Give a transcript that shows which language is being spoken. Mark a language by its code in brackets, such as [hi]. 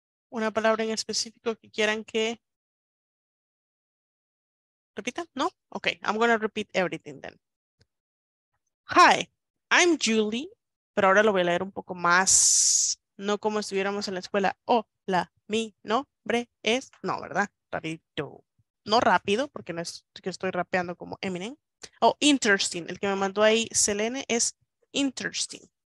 [es] Una palabra en específico que quieran que repita, ¿no? [en] Okay, I'm going to repeat everything then. Hi, I'm Julie [es] pero ahora lo voy a leer un poco más, no como estuviéramos en la escuela. Hola, mi nombre es, no, ¿verdad? Rapidito. No rápido, porque no es que estoy rapeando como Eminem. [en] Oh, interesting. [es] El que me mandó ahí, Selene, es interesting.